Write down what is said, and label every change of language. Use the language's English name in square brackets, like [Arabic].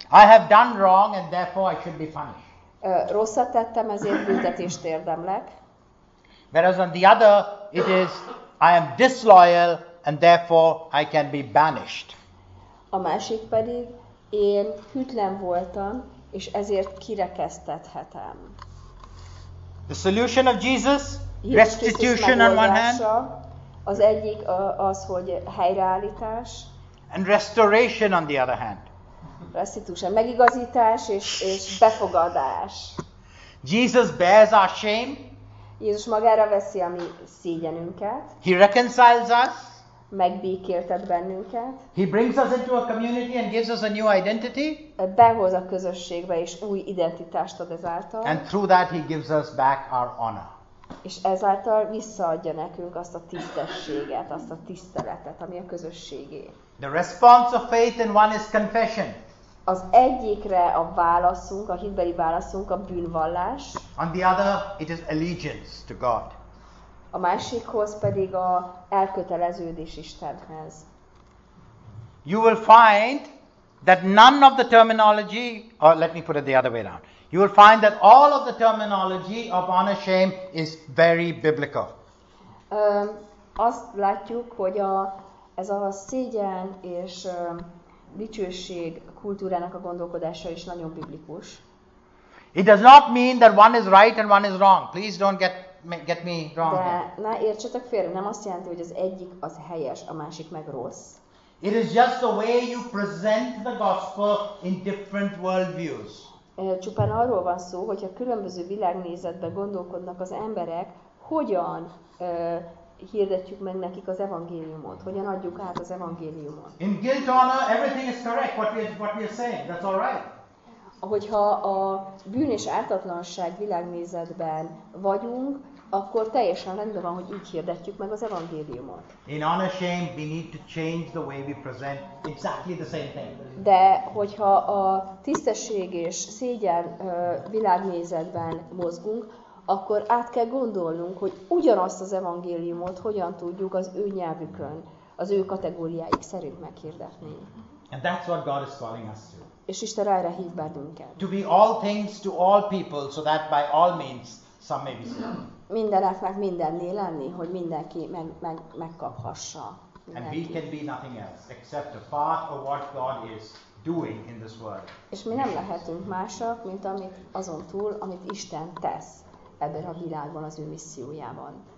[English] I have done wrong, and therefore I should be punished. [Hungarian] Rosszat tettem, ezért büntetést érdemlek. [English] Whereas on the other, it is, I am disloyal, and therefore I can be banished. [Hungarian] A másik pedig, én hűtlen voltam, és ezért kirekesztethetem. [English] The solution of Jesus, restitution on one hand. [Hungarian] Az egyik az, hogy helyreállítás. [English] And restoration on the other hand. [Hungarian] Restitúcia, megigazítás és befogadás. [English] Jesus bears our shame. [Hungarian] Jézus magára veszi a mi szégyenünket. [English] He reconciles us. [Hungarian] Megbékéltet bennünket. [English] He brings us into a community and gives us a new identity. [Hungarian] Behoz a közösségbe és új identitást ad ezáltal. [English] And through that he gives us back our honor. [Hungarian] És ezáltal visszaadja nekünk azt a tisztességet, azt a tiszteletet, ami a közösségé. [English] The response of faith in one is confession. [Hungarian] Az egyikre a válaszunk, a hitbeli válaszunk a bűnvallás. [English] On the other, it is allegiance to God. [Hungarian] A másikhoz pedig a elköteleződés Istenhez. [English] You will find that none of the terminology, or let me put it the other way around. You will find that all of the terminology of honor shame is very biblical. [Hungarian] Azt látjuk, hogy ez a szégyen és dicsőség kultúrának a gondolkodása is nagyon biblikus. [English] It does not mean that one is right and one is wrong. Please don't get me wrong. [Hungarian] De, na értsetek félre, nem azt jelenti, hogy az egyik az helyes, a másik meg rossz. [English] It is just the way you present the gospel in different worldviews. [Hungarian] Csupán arról van szó, hogyha különböző világnézetben gondolkodnak az emberek, hogyan hirdetjük meg nekik az evangéliumot, hogyan adjuk át az evangéliumot. [English] In guilt honor, everything is correct, what we are saying, that's all right. [Hungarian] Ahogyha a bűn és ártatlanság világnézetben vagyunk, akkor teljesen rendben van, hogy így hirdetjük meg az evangéliumot. [English] In honor shame, we need to change the way we present exactly the same thing. [Hungarian] De hogyha a tisztesség és szégyen világnézetben mozgunk, akkor át kell gondolnunk, hogy ugyanazt az evangéliumot hogyan tudjuk az ő nyelvükön, az ő kategóriáik szerint meghirdetni. [English] And that's what God is calling us to. [Hungarian] És Isten erre hív bennünket. [English] To be all things to all people, so that by all means some may be saved. [Hungarian] Mindeneknek mindenné lenni, hogy mindenki megkaphassa. [English] And we can be nothing else except a part of what God is doing. doing in this world. [Hungarian] És mi nem lehetünk másak, mint amit azon túl, amit Isten tesz ebben a világban az ő missziójában.